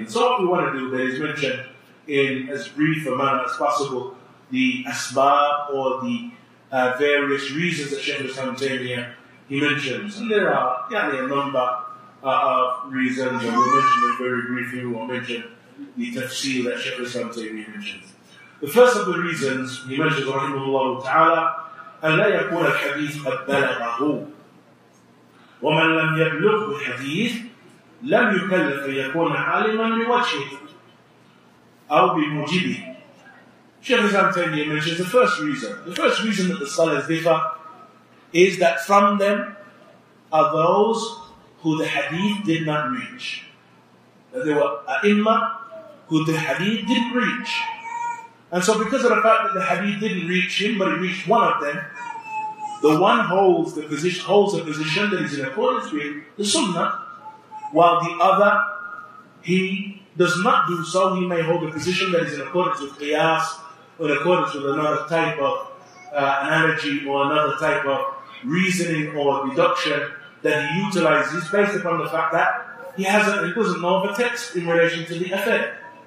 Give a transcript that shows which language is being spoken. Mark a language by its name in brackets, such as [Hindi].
[English] And so what we want to do there is mention in as brief a manner as possible the asbab or the various reasons that Shaykh al-Islam ibn Taymiyyah he mentions. And there are a number of reasons, and we'll mention them very briefly. We won't mention the tafsir that Shaykh al-Islam ibn Taymiyyah mentions. The first of the reasons he mentions, [Arabic] rahimahullah ta'ala, أَلَّا يَكُونَ الْحَدِيثُ قَدْ بَلَغَهُ وَمَنْ لَمْ يَبْلُغْهُ الْحَدِيثُ لَمْ يُكَلَّفَ يَكُونَ عَالِمًا بِوَجْهِهِ أَوْ بِمُجِبِهِ. [English] Shaykh al-Islam Taymiyyah mentions the first reason. The first reason that the scholars differ is that from them are those who the hadith did not reach. That there were a'imma who the hadith didn't reach. And so because of the fact that the hadith didn't reach him, but it reached one of them, the one holds the position, that is in accordance with the sunnah, while the other, he does not do so, he may hold a position that is in accordance with qiyas, or in accordance with another type of analogy, or another type of reasoning or deduction that he utilizes based upon the fact that he doesn't know of a text in relation to the affair.